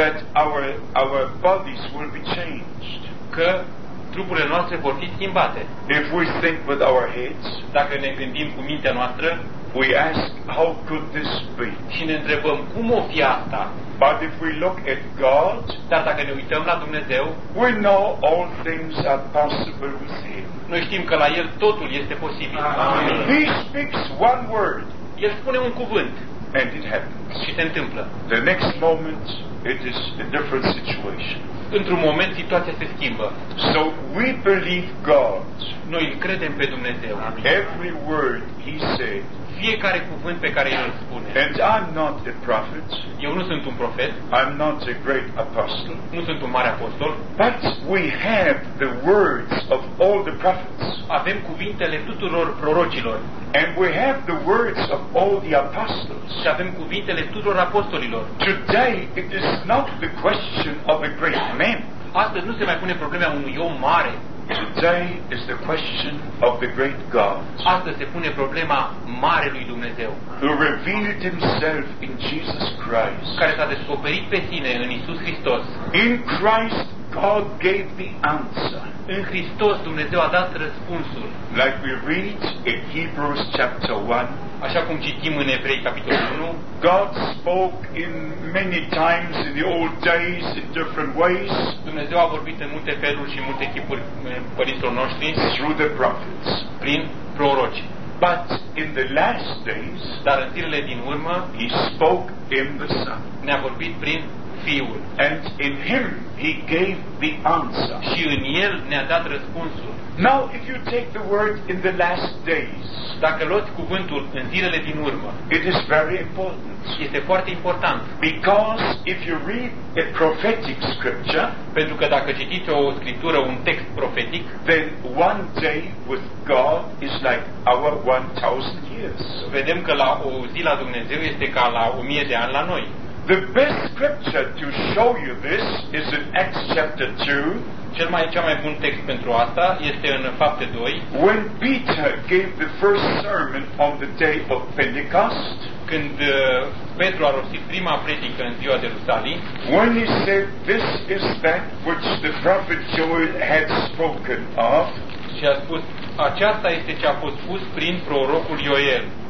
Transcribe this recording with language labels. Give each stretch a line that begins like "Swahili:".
English: that our bodies will be changed,
Romanian: că trupurile noastre vor fi schimbate.
English: If we think with our heads,
Romanian: dacă ne gândim cu mintea noastră,
English: we ask how could this be?
Romanian: Și ne întrebăm cum o fi asta?
English: But if we look at God,
Romanian: dar dacă ne uităm la Dumnezeu,
English: we know all things are possible with him.
Romanian: Noi știm că la el totul este posibil.
English: He speaks one word.
Romanian: El spune un cuvânt.
English: And it happens.
Romanian: Și se întâmplă.
English: The next moment it is a different situation.
Romanian: Într-un moment situația se schimbă.
English: So we believe God.
Romanian: Noi îl credem pe Dumnezeu.
English: Every word he said.
Romanian: Fiecare cuvânt pe care el îl spune.
English: And I'm not a prophet.
Romanian: Eu nu sunt un profet.
English: I'm not a great apostle.
Romanian: Nu sunt un mare apostol.
English: But we have the words of all the prophets.
Romanian: Avem cuvintele tuturor prorocilor.
English: And we have the words of all the apostles.
Romanian: Și avem cuvintele tuturor apostolilor.
English: Today it is not the question of a great man.
Romanian: Astăzi nu se mai pune problema unui om mare.
English: Today is the question of the great God.
Romanian: Astăzi se pune problema marelui Dumnezeu.
English: Who revealed himself in Jesus Christ.
Romanian: Care s-a descoperit pe sine în Iisus Hristos.
English: In Christ God gave the answer.
Romanian: În Hristos Dumnezeu a dat răspunsul.
English: Like we read in Hebrews chapter 1.
Romanian: Așa cum citim în Evrei capitolul 1.
English: God spoke in many times in the old days in different ways.
Romanian: Dumnezeu a vorbit în multe feluri și în multe chipuri părinților noștri.
English: Through the prophets.
Romanian: Prin proroci.
English: But in the last days,
Romanian: dar în zilele din urmă,
English: he spoke in the Son.
Romanian: Ne-a vorbit prin Fiul.
English: And in him he gave the answer.
Romanian: Și în el ne-a dat răspunsul.
English: Now if you take the word in the last days.
Romanian: Dacă luați cuvântul în zilele din urmă.
English: It is very important.
Romanian: Este foarte important.
English: Because if you read a prophetic scripture,
Romanian: pentru că dacă citiți o scriptură, un text profetic,
English: then one day with God is like our 1000 years.
Romanian: Vedem că la o zi la Dumnezeu este ca la 1000 de ani la noi.
English: The best scripture to show you this is in Acts chapter 2.
Romanian: Cel mai bun text pentru asta este în Fapte 2.
English: When Peter gave the first sermon on the day of Pentecost,
Romanian: când Petru a rostit prima predică în ziua de Rusalii,
English: when he said this is that which the prophet Joel had spoken of,
Romanian: și a spus aceasta este ce a fost spus prin prorocul Ioel.